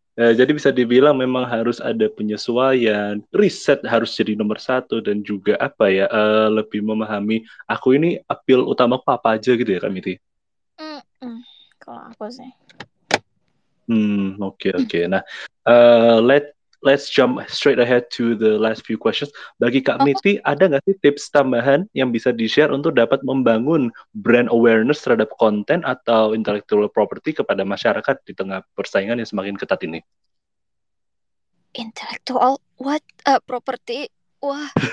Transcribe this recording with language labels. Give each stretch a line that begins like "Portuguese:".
Indonesian: Jadi bisa dibilang memang harus ada penyesuaian, riset harus jadi nomor satu, dan juga apa ya, lebih memahami aku ini appeal utama aku apa aja gitu ya Kak Miti? Kalau aku sih.
English: Okay.
Indonesian: Nah,
English: let's jump straight ahead to the last few questions.
Indonesian: Bagi Kak Miti, ada nggak sih tips tambahan yang bisa di-share untuk dapat membangun brand awareness terhadap konten atau intellectual property kepada masyarakat di tengah persaingan yang semakin ketat ini?
English: Intellectual what property? Wah.